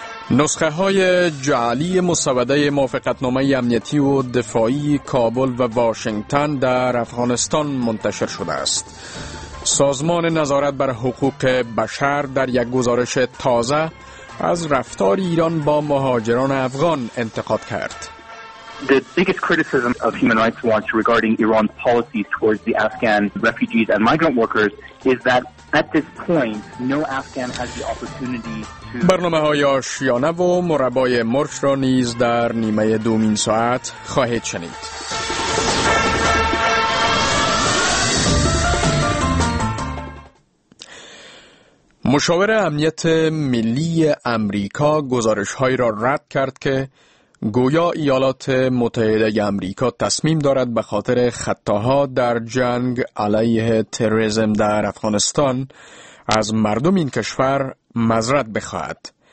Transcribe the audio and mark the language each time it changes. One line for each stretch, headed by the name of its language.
Persian: نسخه های جعلی مسوده موافقتنامه امنیتی و دفاعی کابل و واشنگتن در افغانستان منتشر شده است. سازمان نظارت بر حقوق بشر در یک گزارش تازه از رفتار ایران با مهاجران افغان انتقاد کرد.
English: The biggest criticism of Human Rights Watch regarding Iran's policies towards the Afghan refugees and migrant workers is that at this point no Afghan has the opportunity to.
Persian: برنامه های آشیانه و مربای مرش را نیز در نیمه دومین ساعت خواهید شنید. مشاور امنیت ملی امریکا گزارش های را رد کرد که گویا ایالات متحده امریکا تصمیم دارد به خاطر خطاها در جنگ علیه تروریسم در افغانستان از مردم این کشور معذرت بخواهد.